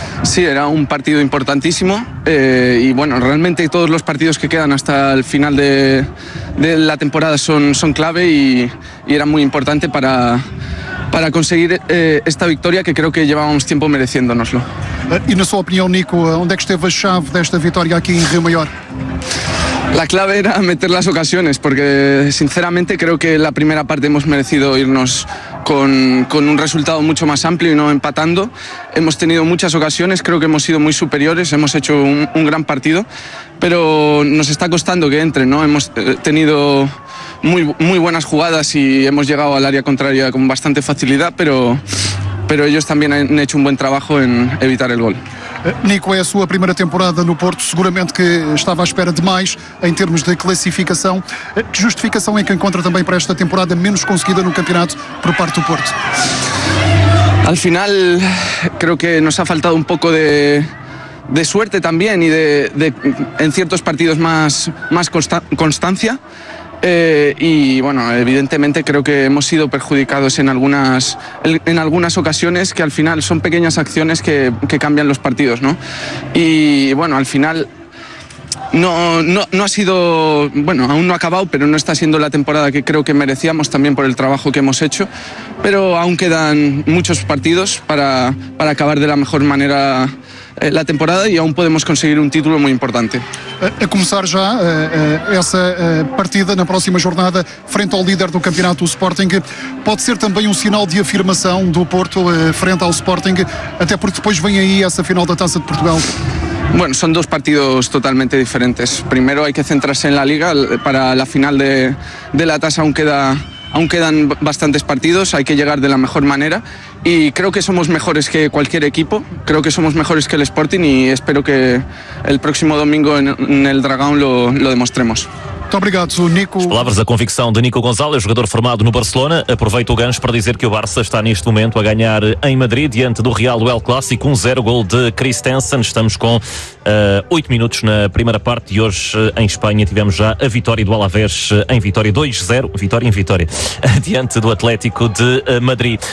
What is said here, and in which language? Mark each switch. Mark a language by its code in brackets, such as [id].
[pt] Sim, era um partido importantíssimo e, bueno, realmente todos os partidos que quedam até o final da temporada são clave e era muito importante para conseguir esta vitória que [es] creo que llevábamos [pt] tempo merecendo-nos-lo. E na sua opinião, Nico, onde é que esteve a chave desta vitória aqui em Rio Maior? [es] La clave era meter las ocasiones, porque sinceramente creo que la primera parte hemos merecido irnos con un resultado mucho más amplio y no empatando. Hemos tenido muchas ocasiones, creo que hemos sido muy superiores, hemos hecho un gran partido, pero nos está costando que entre, ¿no? Hemos tenido muy, muy buenas jugadas y hemos llegado al área contraria con bastante facilidad, pero ellos también han hecho un buen trabajo en evitar el gol. [pt] Nico, é a sua primeira temporada no Porto, seguramente que estava à espera de mais em termos de classificação. Que justificação é que encontra também para esta temporada menos conseguida no campeonato por parte do Porto? [es] Al final, creo que nos ha faltado [pt] um pouco de suerte também e de em certos partidos mais constância. [es] Y bueno, evidentemente creo que hemos sido perjudicados en algunas ocasiones que al final son pequeñas acciones que cambian los partidos, ¿no? Y bueno, al final no ha sido, bueno, aún no ha acabado, pero no está siendo la temporada que creo que merecíamos también por el trabajo que hemos hecho, pero aún quedan muchos partidos para acabar de la mejor manera la temporada y aún podemos conseguir un título muy importante. [pt] A começar já essa partida na próxima jornada frente ao líder do campeonato, o Sporting, pode ser também um sinal de afirmação do Porto frente ao Sporting, até porque depois vem aí essa final da Taça de Portugal. [es] Bueno, son dos partidos totalmente diferentes. Primero hay que centrarse en la liga. Para la final de la Taça aún quedan bastantes partidos, hay que llegar de la mejor manera y creo que somos mejores que cualquier equipo, creo que somos mejores que el Sporting y espero que el próximo domingo en el Dragão lo demostremos. [pt] Muito obrigado, Nico. As palavras da convicção de Nico González, jogador formado no Barcelona. Aproveito o gancho para dizer que o Barça está neste momento a ganhar em Madrid diante do Real El Clássico, 1-0, gol de Christensen. Estamos com 8 minutos na primeira parte e hoje em Espanha tivemos já a vitória do Alavés em vitória 2-0, vitória em vitória, diante do Atlético de Madrid.